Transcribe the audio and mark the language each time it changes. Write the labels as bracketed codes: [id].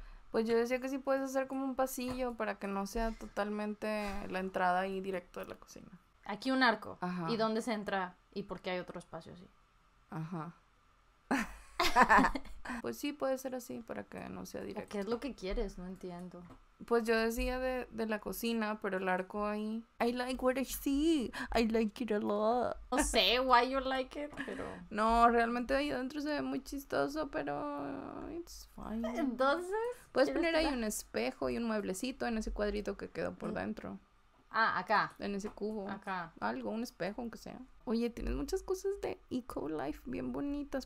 [es] Pues yo decía que sí puedes hacer como un pasillo para que no sea totalmente la entrada ahí directo de la cocina. Aquí un arco. ¿Y dónde se entra? ¿Y por qué hay otro espacio así? Ajá. Pues sí, puede ser así, para que no sea directo. ¿Qué es lo que quieres? No entiendo. Pues yo decía de la cocina, pero el arco ahí... [en] I like what I see. I like it a lot. [es] No sé [en] why you like it, pero... [es] No, realmente ahí adentro se ve muy chistoso, pero... [en] It's fine. [es] ¿Entonces? Puedes poner ahí un espejo y un mueblecito en ese cuadrito que quedó por dentro. Ah, acá. En ese cubo. Acá. Algo, un espejo, aunque sea. Oye, tienes muchas cosas de Eco Life bien bonitas.